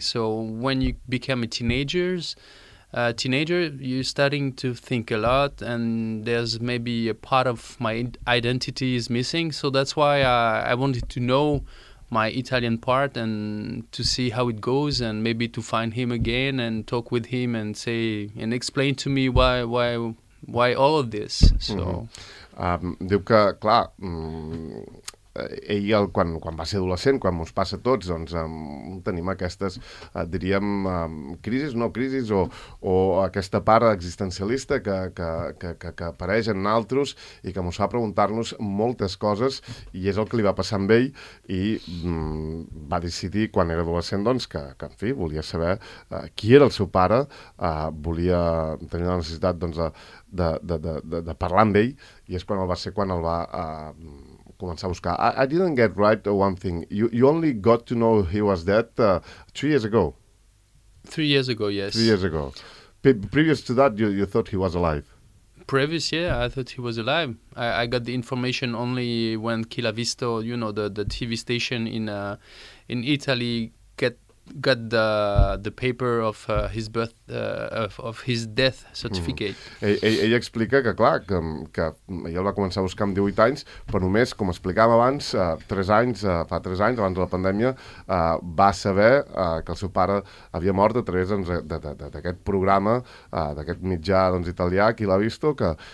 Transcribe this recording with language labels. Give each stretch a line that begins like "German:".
English: So when you become a teenager, you're starting to think a lot, and there's maybe a part of my identity is missing. So that's why I wanted to know my Italian part and to see how it goes and maybe to find him again and talk with him and say and explain to me why all of this. So
Catalan: diu que clar, ell quan va ser adolescent, quan ens passa a tots, doncs tenim aquestes diríem crisis, no crisis, o aquesta part existencialista que apareix en altres i que ens fa preguntar-nos moltes coses, i és el que li va passar amb ell, i va decidir quan era adolescent doncs, que en fi, volia saber qui era el seu pare, volia tenir la necessitat doncs, de parlar amb ell, i és quan el va començar a buscar.
English: I didn't get right one thing. You only got to know he was dead 3 years ago. 3 years ago, yes. 3 years ago. Previous to that, you thought he was alive. Previous, yeah, I thought he was alive. I got the information only when Chi l'ha visto, you know, the TV station in Italy got the paper of his birth of his death certificate.
Catalan: Ell explica que clar que ell el va començar a buscar amb 18 anys, però només, com explicava abans, fa 3 anys abans de la pandèmia, va saber que el seu pare havia mort a través doncs, d'aquest programa, d'aquest mitjà doncs, italià, Chi l'ha visto, que